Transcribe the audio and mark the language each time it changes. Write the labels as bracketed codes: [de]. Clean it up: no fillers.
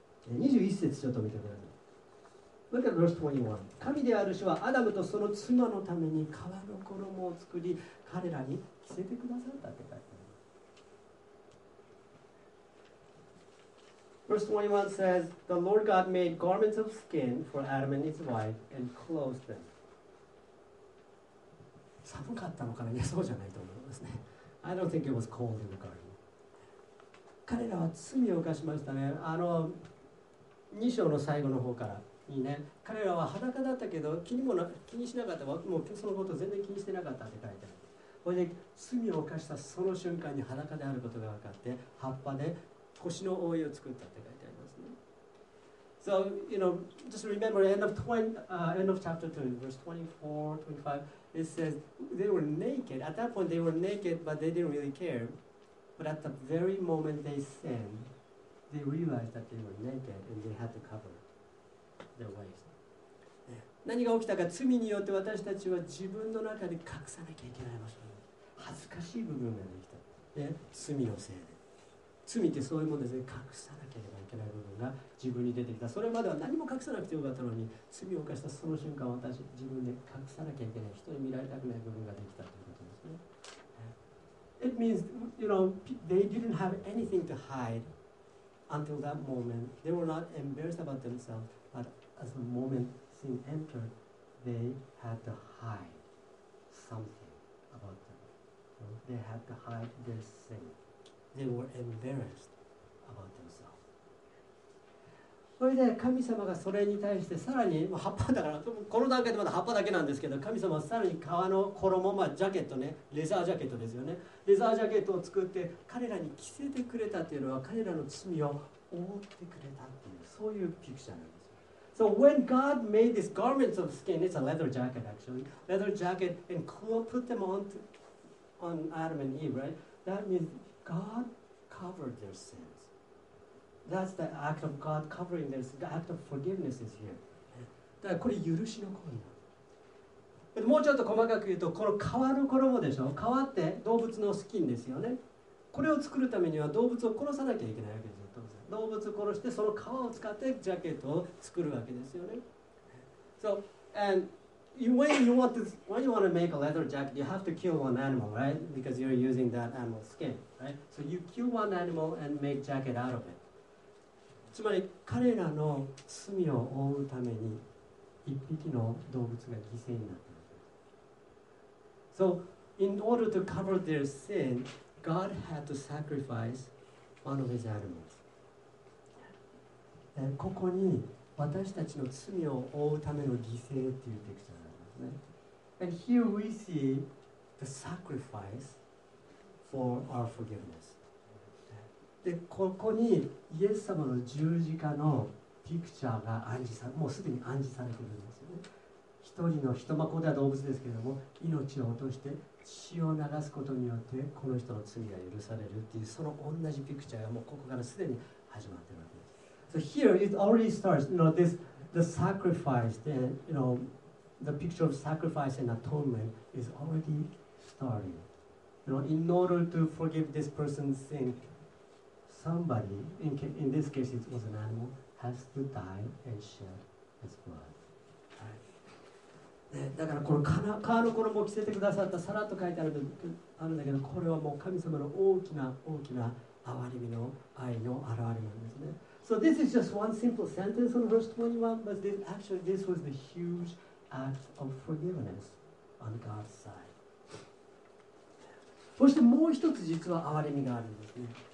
[ja] 21節ちょっと見てください。 [en] Look at verse 21. [ja] 神である主はアダムとその妻のために革の衣を作り、彼らに着せてくださったって書いてある。 [en] Verse 21 says, The Lord God made garments of skin for Adam and his wife and clothed them. [ja] 寒かったのかな？いや、そうじゃないと思いますね。 [en] I don't think it was cold in the garden. [ja] 彼らは罪を犯しましたね。あの2章の最後の方からにね、彼らは裸だったけど気にしなかった。もうそのこと全然気にしてなかったって書いてある。それで罪を犯したその瞬間に裸であることが分かって、葉っぱで腰の覆いを作ったって書いてありますね。 [en] So, you know, just remember end of chapter 2, verse 24, 25. It says they were naked. At that point, they were naked, but they didn't really care. But at the very moment they sinned, they realized that they were naked and they had to cover their waist. [ja] 何が起きたか、罪によって私たちは自分の中で隠さなきゃいけない場所。恥ずかしい部分ができた。で、罪のせいで。罪ってそういうものですね。隠さなければいけない部分が自分に出てきた。それまでは何も隠さなくてよかったのに、罪を犯したその瞬間、私自分で隠さなきゃいけない、人に見られたくない部分ができたということですね。 [en] It means, you know, they didn't have anything to hide until that moment. They were not embarrassed about themselves, but as the moment sin entered, they had to hide something about them. So they had to hide their sin. They were embarrassed about themselves. [ja] それで神様がそれに対してさらにもう葉っぱだからこの段階でまだ葉っぱだけなんですけど神様はさらに革の衣、まあ、ジャケットねレザージャケットですよねレザージャケットを作って彼らに着せてくれたというのは彼らの罪を覆ってくれたっていうそういうピクチャーなんです。 [en] So when God made these garments of skin, it's a leather jacket actually, leather jacket and put them on Adam and Eve, right? That means God covered their sins. That's the act of God covering their sins. The act of forgiveness is here. [ja] だからこれ許しの行為なの。もうちょっと細かく言うと、この皮の衣でしょ。皮って動物のスキンですよね。これを作るためには動物を殺さなきゃいけないわけですよ。当然。動物を殺してその皮を使ってジャケットを作るわけですよね。 [en] So, andWhen you want to make a leather jacket, you have to kill one animal, right? Because you're using that animal's skin, right? So you kill one animal and make jacket out of it. [ja] つまり彼らの罪を覆うために一匹の動物が犠牲になった。 [en] So, in order to cover their sin, God had to sacrifice one of his animals. [ja] ここに私たちの罪を負うための犠牲というテクストがあるんですね。 [en] And here we see the sacrifice for our forgiveness. [ja] で、ここにイエス様の十字架のピクチャーが暗示されもうすでに暗示されているんですよね。一人の人、まあ、ここでは動物ですけれども、命を落として血を流すことによってこの人の罪が許されるっていう、その同じピクチャーがもうここからすでに始まっているわけです。 [en] So here it already starts, you know, this, the sacrifice, the, you know, the picture of sacrifice and atonement is already starting. You know, in order to forgive this person's sin, somebody, in this case it was an animal, has to die and shed his blood. [ja] だからこの川の衣を着せてくださった、さらっと書いてあるんだけど、これはもう神様の大きな大きな憐れみの愛の表れなんですね。 [en] So this is just one simple sentence on verse 21, but this, actually this was the huge act of forgiveness on God's side. [ja] そしてもう一つ実は憐れみがあるんですね。